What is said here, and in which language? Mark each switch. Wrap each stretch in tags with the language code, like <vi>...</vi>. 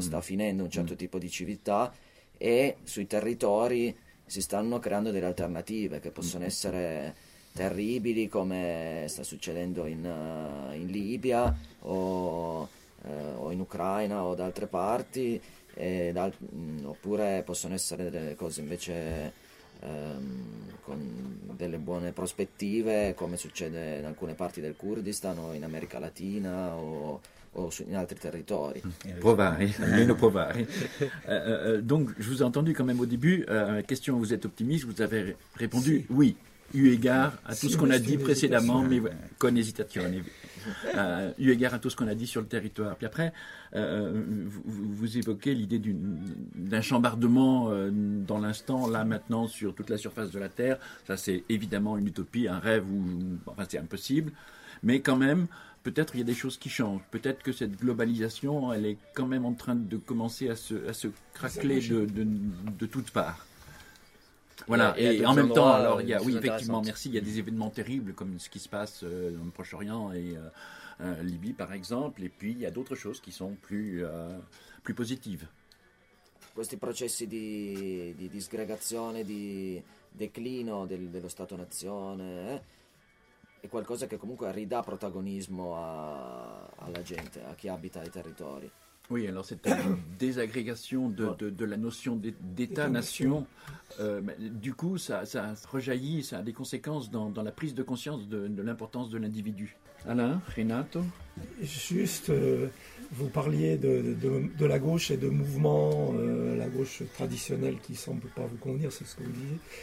<it>Sta finendo un certo tipo di civiltà e sui territori si stanno creando delle alternative che possono essere terribili, come sta succedendo in Libia o in Ucraina o da altre parti, oppure possono essere delle cose invece con delle buone prospettive, come succede in alcune parti del Kurdistan o in America Latina o in altri territori. Provare, almeno provare.</it> <fr>Donc, je vous ai entendu quand même au début, question, vous êtes optimiste, vous avez répondu oui, eu égard à tout ce qu'on a dit précédemment, mais</fr> <it>con hésitazione.</it> <fr>Eu égard à tout ce qu'on a dit sur le territoire. Puis après, vous évoquez l'idée d'un chambardement dans l'instant, là, maintenant, sur toute la surface de la Terre. Ça, c'est évidemment une utopie, un rêve, enfin, c'est impossible. Mais quand même, peut-être il y a des choses qui changent. Peut-être que cette globalisation, elle est quand même en train de commencer à se craqueler de toutes parts. Voilà, et en même temps, alors il y a, oui, effectivement, merci, il y a des événements terribles comme ce qui se passe dans le Proche-Orient et Libye, par exemple, et puis il y a d'autres choses qui sont plus positives.</fr> <it>Questi processi di disgregazione, di declino dello Stato-Nazione, è qualcosa che comunque ridà protagonismo alla gente, a chi abita i territori.</it> <fr>Oui, alors cette désagrégation de la notion d'État-nation, du coup, ça rejaillit, ça a des conséquences dans la prise de conscience de l'importance de l'individu. Alain, Renato. Juste, vous parliez de la gauche et de mouvements, la gauche traditionnelle qui semble pas vous convenir, c'est ce que vous disiez.</fr>